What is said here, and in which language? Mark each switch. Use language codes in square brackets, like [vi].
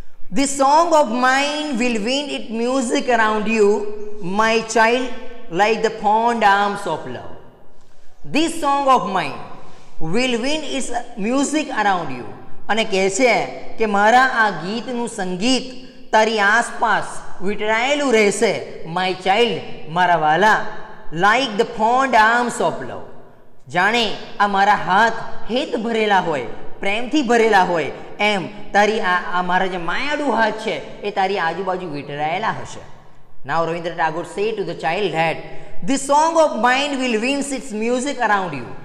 [en] This song of mine will wind its music around you, my child, like the fond arms of love. This song of mine will wind its music around you. [gu] અને કહે છે કે મારા આ ગીતનું સંગીત તારી આસપાસ વિટરાયેલું રહેશે, [en] my child, [gu] મારા વાલા, [en] like the fond arms of love, [gu] જાણે આ મારા હાથ હેત ભરેલા હોય, પ્રેમથી ભરેલા હોય, એમ તારી આ મારા જે માયાળુ હાથ છે એ તારી આજુબાજુ વિટરાયેલા હશે. [en] Now Rabindranath Tagore say to the child that this song of mine will wind its music around you.